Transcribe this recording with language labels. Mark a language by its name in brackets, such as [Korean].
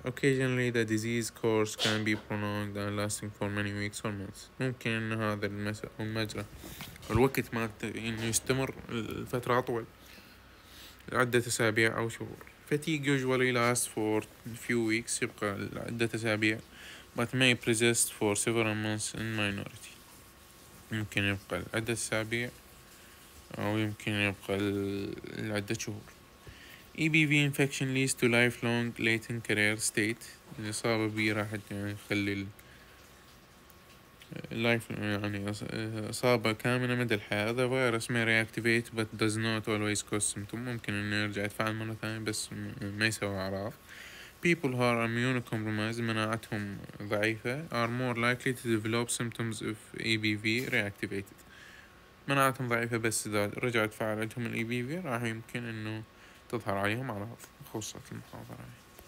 [English] occasionally the disease course can be prolonged and lasting for many weeks or months. [Arabic] ممكن ان هذا المجرى الوقت ما انه يستمر الفترة اطول لعدة أسابيع او شهور. [English] fatigue usually lasts for few weeks [Arabic] يبقى لعدة أسابيع [English] but may persist for several months in minority. [Arabic] ممكن يبقى لعدة أسابيع أو يمكن يبقى لعدة شهور. [English] EBV infection leads to lifelong latent carrier state. [Arabic] الإصابة بي راح تخلي يعني إصابة كاملة مدى الحياة. [English] The virus may reactivate but does not always cause symptoms. [Arabic] ممكن إنه يرجع يتفعل مرة ثانية بس ما يسوي أعراض. [English] People who are immunocompromised [Arabic] مناعتهم ضعيفة [English] are more likely to develop symptoms if EBV reactivated. [Arabic] مناعتهم ضعيفة بس إذا رجعت فعالتهم الـ EBV راح يمكن إنه تظهر عليهم أعراض خاصة المحاضرة.